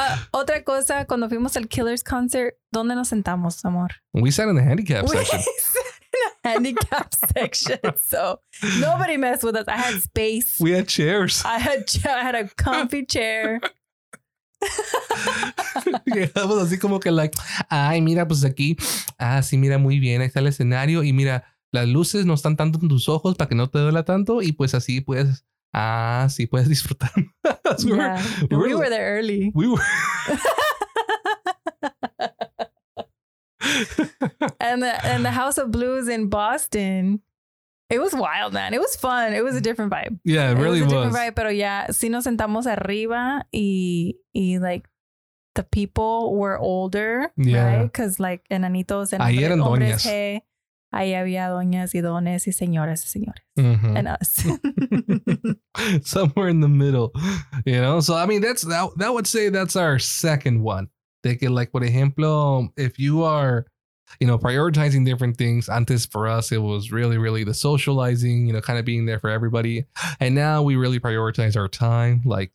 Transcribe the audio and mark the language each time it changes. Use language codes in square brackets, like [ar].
[es] otra cosa, cuando fuimos al Killers concert, ¿dónde nos sentamos, amor? [en] We sat in the handicap section. We sat in the handicap section, so nobody messed with us. I had space. We had chairs. I had a comfy chair. [es] Quedamos así como que like, ay, mira, pues aquí, ah, sí, mira, muy bien, ahí está el escenario, y mira, las luces no están tanto en tus ojos para que no te duela tanto y pues así puedes, ah, sí, puedes disfrutar. [en] So yeah. We were there early. We were. and the House of Blues in Boston, it was wild, man. It was fun. It was a different vibe. Yeah, it really was. A different vibe, [es] pero ya, si nos sentamos arriba y [en] like, the people were older, yeah. Right? Because like, [es] enanitos [en] and [es] ahí eran hombres, doñas. Hey, ahí había doñas y dones y señoras y señores. Mm-hmm. [en] And us. Somewhere in the middle, you know? So, I mean, that would say that's our second one. [es] De que, [en] like, [es] por ejemplo, [en] if you are, you know, prioritizing different things. [es] Antes, [en] for us, it was really, really the socializing, you know, kind of being there for everybody. And now we really prioritize our time, like